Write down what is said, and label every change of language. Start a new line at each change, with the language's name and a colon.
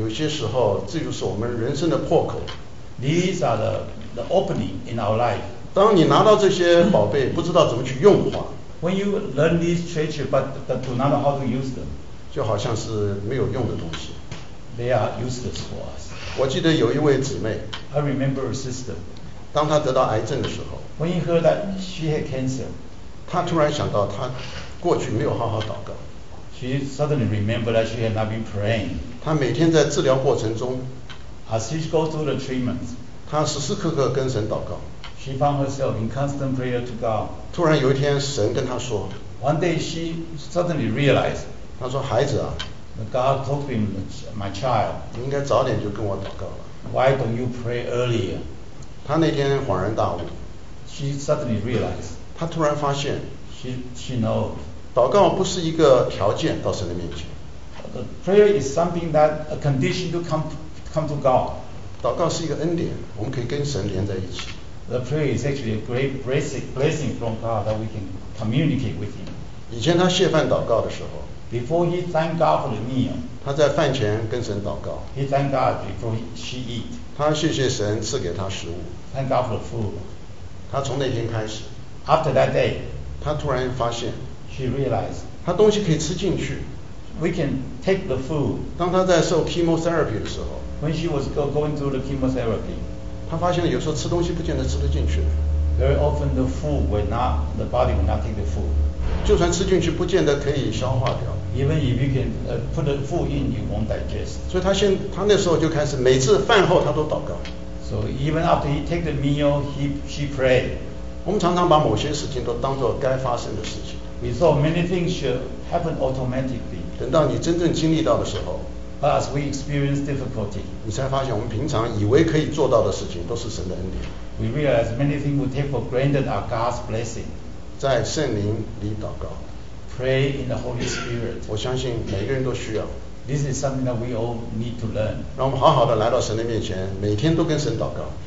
Chinese: 有些时候，这就是我们人生的破口。
English: These are the opening in our life.
Chinese: 当你拿到这些宝贝，不知道怎么去用的话。
English: When you learn these treasures, but do not know how to use them.
Chinese: 就好像是没有用的东西。
English: They are useless for us.
Chinese: 我记得有一位姊妹。
English: I remember a sister.
Chinese: 当她得到癌症的时候。
English: When you heard that she had cancer.
Chinese: 她突然想到她过去没有好好祷告。
English: She suddenly remembered that she had not been praying.
Chinese: 她每天在治疗过程中
English: ，As she goes through the treatments,
Chinese: 她时时刻刻跟神祷告。
English: She found herself in constant prayer to God.
Chinese: 突然有一天，神跟她说
English: ，One day she suddenly realized.
Chinese: 她说：“孩子啊
English: ，God told him, my child,
Chinese: 你应该早点就跟我祷告了。
English: Why don't you pray earlier?
Chinese: 她那天恍然大悟
English: ，She suddenly realized.
Chinese: 她突然发现
English: ，She knows.
Chinese: 祷告不是一个条件到神的面前。
English: The prayer is something that a condition to come to God.
Chinese: 祷告是一个恩典，我们可以跟神连在一起。
English: The prayer is actually a great blessing from God that we can communicate with Him.
Chinese: 以前他谢饭祷告的时候
English: ，Before he thanked God for the meal.
Chinese: 他在饭前跟神祷告。
English: He thanked God before she eat.
Chinese: 他谢谢神赐给他食物。
English: Thank God for the food.
Chinese: 他从那天开始
English: ，After that day.
Chinese: 他突然发现。
English: She realized,
Chinese: 他东西可以吃进去。
English: We can take the food.
Chinese: 当他在受 chemotherapy 的时候
English: ，When she was going through the chemotherapy,
Chinese: 他发现了有时候吃东西不见得吃得进去。
English: Very often the food will not, the body will not take the food.
Chinese: 就算吃进去，不见得可以消化掉。
English: Even if you can put the food in, you won't digest.
Chinese: 所以他那时候就开始每次饭后他都祷告。
English: So even after he take the meal, she pray.
Chinese: 我们常常把某些事情都当作该发生的事情。
English: We thought many things should happen automatically.
Chinese: 等到你真正经历到的时候
English: ，But as we experience difficulty,
Chinese: 你才发现我们平常以为可以做到的事情都是神的恩典。
English: We realize many things we take for granted are God's blessing.
Chinese: 在圣灵里祷告
English: ，Pray in the Holy Spirit.
Chinese: 我相信每个人都需要。
English: This is something that we all need to learn.
Chinese: 让我们好好的来到神的面前，每天都跟神祷告。